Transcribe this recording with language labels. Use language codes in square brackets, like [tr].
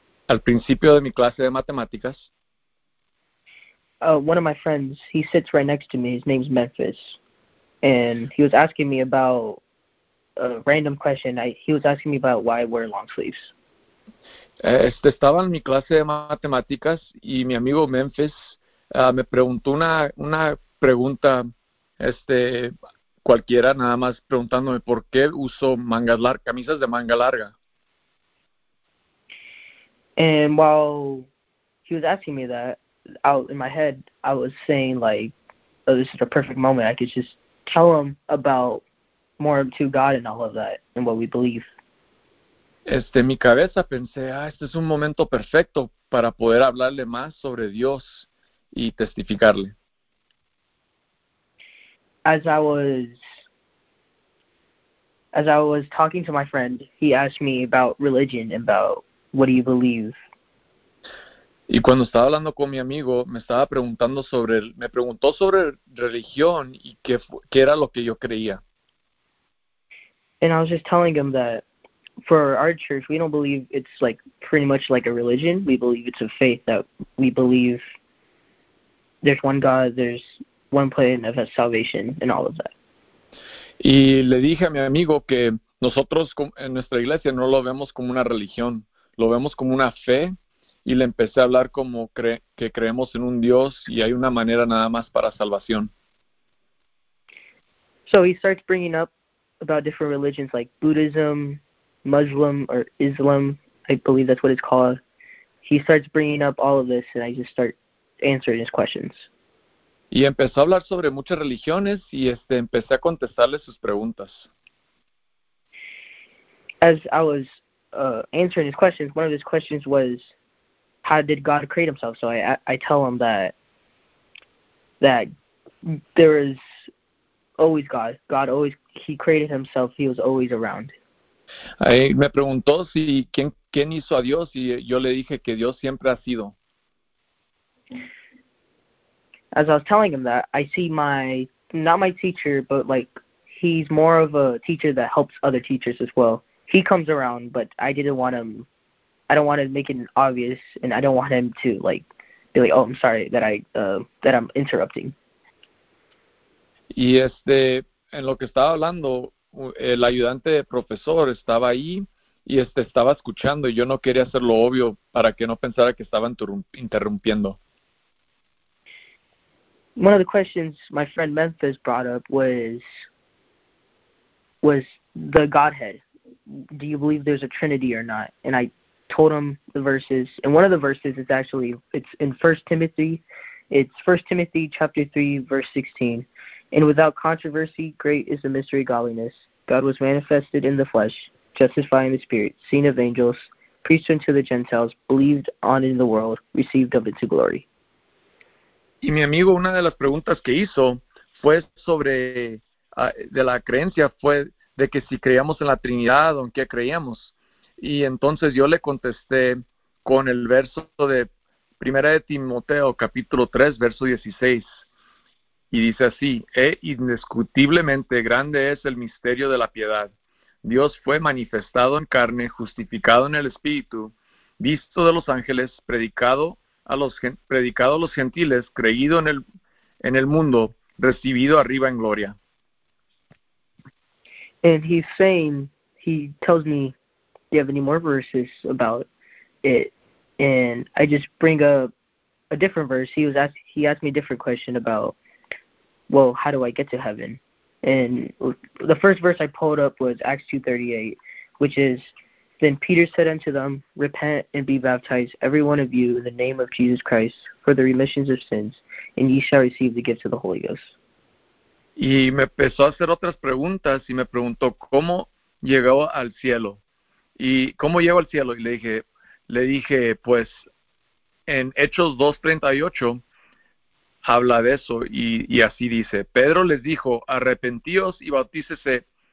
[es] Al principio de mi clase de matemáticas. [en] one of my friends, he sits right next to me. His name's Memphis. And he was asking me about a random question. He was asking me about why I wear long sleeves. [es] Estaba en mi clase de matemáticas y mi amigo Memphis me preguntó una pregunta cualquiera, nada más preguntándome por qué uso camisas de manga larga. [en] And while he was asking me that, out in my head, I was saying like, "Oh, this is a perfect moment. I could just tell him about more to God and all of that, and what we believe." [es] En mi cabeza pensé, ah, este es un momento perfecto para poder hablarle más sobre Dios y testificarle. [en] As I was talking to my friend, he asked me about religion, about what do you believe? [es] Y cuando estaba hablando con mi amigo, me estaba preguntando sobre él, me preguntó sobre religión y qué era lo que yo creía. [en] And I was just telling him that for our church, we don't believe it's like pretty much like a religion. We believe it's a faith that we believe there's one God, there's one plan of salvation, and all of that. [es] Y le dije a mi amigo que nosotros en nuestra iglesia no lo vemos como una religión, lo vemos como una fe, y le empecé a hablar como que creemos en un Dios y hay una manera nada más para salvación. [en] So he starts bringing up about different religions like Buddhism, Muslim, or Islam, I believe that's what it's called. He starts bringing up all of this, and I just start answering his questions. [es] Y empezó a hablar sobre muchas religiones y empecé a contestarle sus preguntas. [en] As I was answering his questions, one of his questions was, "How did God create himself?" So I tell him that there is always God. God always, he created himself. He was always around. [es] Ahí me preguntó si quién hizo a Dios y yo le dije que Dios siempre ha sido. [en] As I was telling him that, I see not my teacher, but like he's more of a teacher that helps other teachers as well. He comes around, but I don't want to make it obvious, and I don't want him to like be like, "Oh, I'm sorry that I'm interrupting." [es] Y en lo que estaba hablando, el ayudante de profesor estaba ahí y estaba escuchando y yo no quería hacerlo obvio para que no pensara que estaba interrumpiendo. [en] One of the questions my friend Memphis brought up was the Godhead. Do you believe there's a Trinity or not? And I told him the verses, and one of the verses is actually it's in 1 Timothy. It's 1 Timothy chapter 3 verse 16. "And without controversy, great is the mystery of godliness. God was manifested in the flesh, justified in the spirit, seen of angels, preached unto the Gentiles, believed on in the world, received up into glory." [es] Y mi amigo, una de las preguntas que hizo fue sobre de la creencia, fue de que si creíamos en la Trinidad o en qué creíamos. Y entonces yo le contesté con el verso de Primera de Timoteo, capítulo 3, verso 16. Y dice así: "E indiscutiblemente grande es el misterio de la piedad. Dios fue manifestado en carne, justificado en el Espíritu, visto de los ángeles, predicado a los gentiles, creído en el mundo, recibido arriba en gloria." [en] And he tells me, "Do you have any more verses about it?" And I just bring up a different verse. He asked me a different question about, well, how do I get to heaven? And the first verse I pulled up was Acts 2:38, which is, "Then Peter said unto them, Repent and be baptized, every one of you, in the name of Jesus Christ, for the remissions of sins, and ye shall receive the gift of the Holy Ghost." [es] Y me empezó a hacer otras preguntas y me preguntó cómo llegó al cielo. Y cómo llegó al cielo. Y le dije, pues en Hechos 2:38 habla de eso. Y así dice: "Pedro les dijo, arrepentíos y bautícese